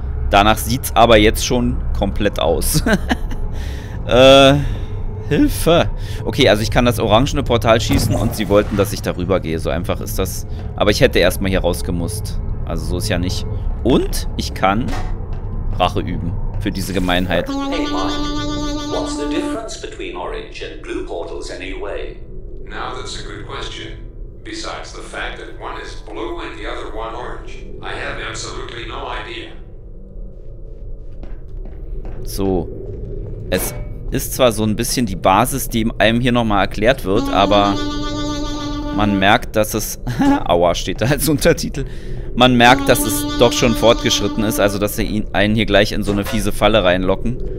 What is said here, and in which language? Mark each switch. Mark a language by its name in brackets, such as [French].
[German] Danach sieht es aber jetzt schon komplett aus. Hilfe! Okay, also ich kann das orangene Portal schießen und sie wollten, dass ich darüber gehe. So einfach ist das. Aber ich hätte erstmal hier rausgemusst. Also so ist ja nicht. Und ich kann Rache üben für diese Gemeinheit. [English] Hey Mann, what's the difference between orange and blue portals anyway? Now that's a good question. Besides the fact that one is blue and the other one orange, I have absolutely no idea. So. [German] Es ist zwar so ein bisschen die Basis, die einem hier nochmal erklärt wird, aber man merkt, dass es... Aua, steht da als Untertitel. Man merkt, dass es doch schon fortgeschritten ist, also dass sie einen hier gleich in so eine fiese Falle reinlocken.